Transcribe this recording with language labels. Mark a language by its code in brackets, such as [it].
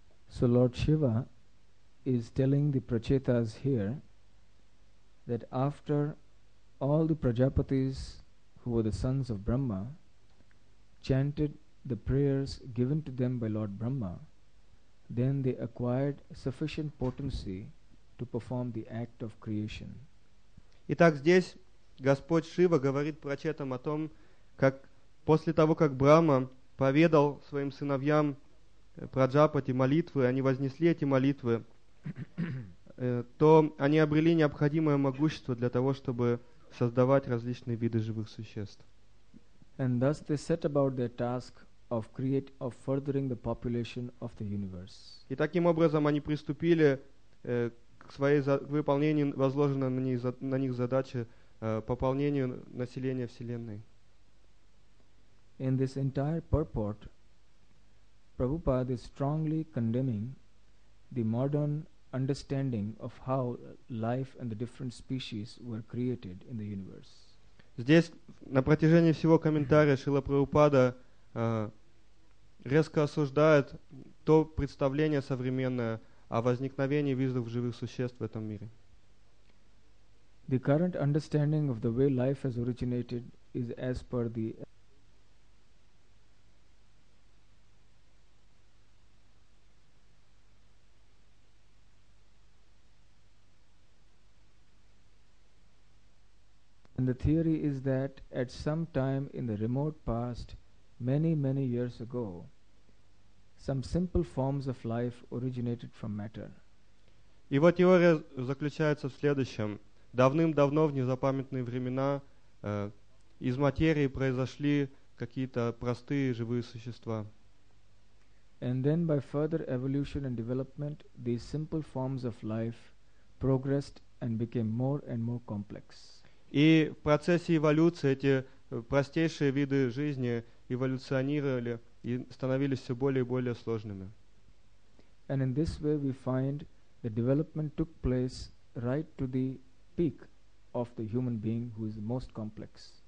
[en] So Lord Shiva is telling the Prachetas here that after all the Prajapatis who were the sons of Brahma chanted the prayers given to them by Lord Brahma, then they acquired sufficient potency to perform the act of creation. [ru] Итак, здесь Господь Шива говорит Прачетам о том, как после того, как Брахма поведал своим сыновьям Праджапати молитвы, они вознесли эти молитвы, то они обрели необходимое могущество для того, чтобы создавать различные виды живых существ. [en] And thus they set about their task of creating, of furthering the population of the universe. [ru] И таким образом они приступили к выполнению возложенной на них задачи пополнению населения Вселенной. [en] In this entire purport, Prabhupada is strongly condemning the modern understanding of how life and the different species were created in the universe. [ru] Здесь на протяжении всего комментария Шрила Прабхупада резко осуждает то представление современное о возникновении видов живых существ в этом мире. [en] The current understanding of the way life has originated is as per the And the theory is that at some time in the remote past, many, many years ago, some simple forms of life originated from matter. [ru] Его теория заключается в следующем. Давным-давно, в незапамятные времена, из материи произошли какие-то простые живые существа. [en] And then by further evolution and development, these simple forms of life progressed and became more and more complex. [ru] И в процессе эволюции эти простейшие виды жизни эволюционировали и становились все более и более сложными. [en] And in this way we find the development took place right to the peak of the human being who is the most complex.